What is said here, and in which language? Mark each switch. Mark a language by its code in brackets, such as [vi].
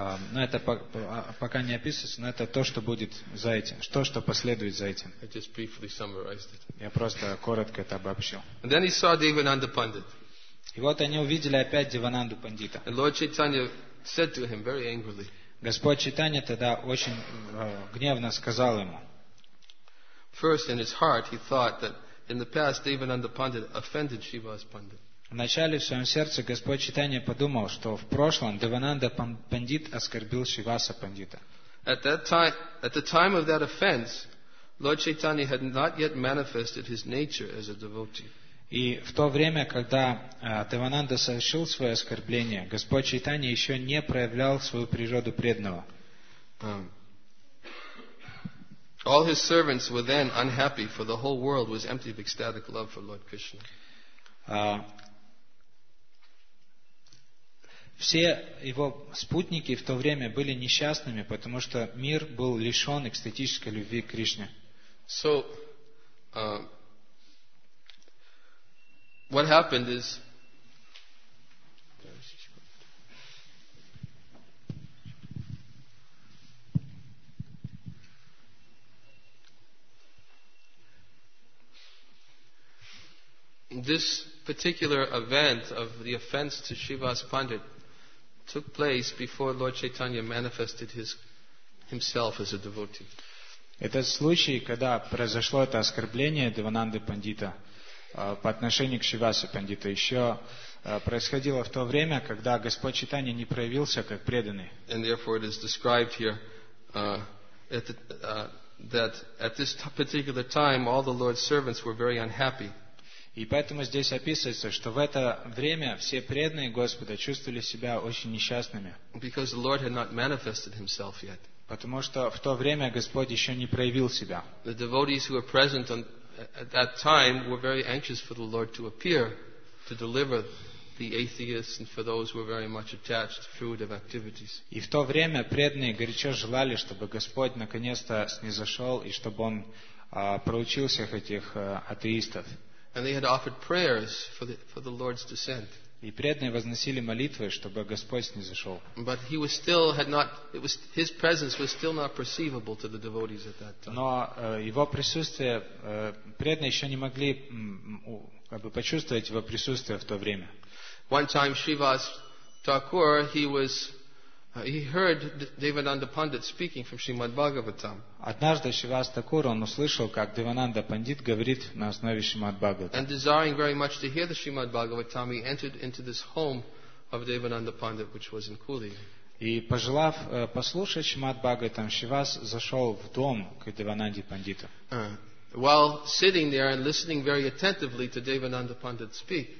[ru] Но это пока не описывается, но это то, что будет за этим. Что последует за этим. [en] I just briefly summarized it. [ru] Я просто коротко это обобщил. [en] And then he saw Devananda Pandit. [ru] И вот они увидели опять Девананду Пандита. [en] And Lord Chaitanya said to him very angrily. [ru] Господь Чайтанья тогда очень гневно сказал ему. [en] First, in his heart, he thought that in the past Devananda Pandit offended Shiva's Pandit. [ru] Вначале в своем сердце Господь Чайтанья подумал, что в прошлом Девананда Пандит оскорбил Шиваса Пандита. [en] At the time of that offense, Lord Chaitanya had not yet manifested his nature as a devotee. [ru] И в то время, когда Девананда совершил свое оскорбление, Господь Чайтанья еще не проявлял свою природу преданного. [en] All his servants were then unhappy, for the whole world was empty of ecstatic love for Lord Krishna. [ru] Все его спутники в то время были несчастными, потому что мир был лишен экстатической любви к Кришне. [en] So, what happened is, this particular event of the offense to Shiva's Pandit took place before Lord Chaitanya manifested himself as a devotee. [ru] Этот случай, когда произошло это оскорбление Девананды Пандита по отношению к Шивасе Пандиту, еще происходило в то время, когда Господь Чайтанья не проявился как преданный. [en] And therefore it is described here that at this particular time all the Lord's servants were very unhappy. [ru] И поэтому здесь описывается, что в это время все преданные Господа чувствовали себя очень несчастными. [en] Because the Lord had not manifested himself yet. [ru] Потому что в то время Господь еще не проявил себя. [en] The devotees who were present at that time were very anxious for the Lord to appear to deliver the atheists and for those who were very much attached to fruitive activities. [ru] И в то время преданные горячо желали, чтобы Господь наконец-то снизошел и чтобы Он проучил всех этих атеистов. [en] And they had offered prayers for the Lord's descent. [ru] И преданные возносили молитвы, чтобы Господь снизошел. [en] But he was still had not. It was his presence was still not perceivable to the devotees at that time. [ru] Но его присутствие преданные еще не могли почувствовать его присутствие в то время. [en] One time, Shrivas Thakur, he heard Devananda Pandit speaking from Shrimad Bhagavatam. [ru] Однажды Шивас Такур он услышал, как Девананда Пандит говорит на основе Шримад Бхагаватам. [en] And desiring very much to hear the Shrimad Bhagavatam, he entered into this home of Devananda Pandit, which was in Kuli. [ru] И пожелав послушать Шримад Бхагаватам, Шивас зашел в дом к Девананде Пандиту. [en] While sitting there and listening very attentively to Devananda Pandit speak,